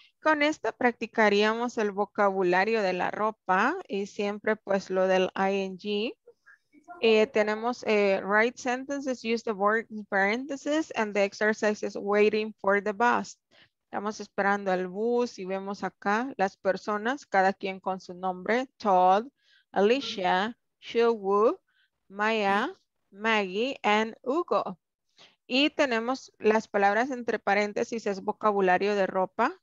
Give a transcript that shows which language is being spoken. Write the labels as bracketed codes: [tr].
[es] Con esto practicaríamos el vocabulario de la ropa y siempre pues lo del ing. Tenemos [en] write sentences, use the word in parentheses and the exercise is waiting for the bus. [es] Estamos esperando al bus y vemos acá las personas, cada quien con su nombre. [en] Todd, Alicia, Shu-Wu, Maya, Maggie, and Hugo. [es] Y tenemos las palabras entre paréntesis, es vocabulario de ropa.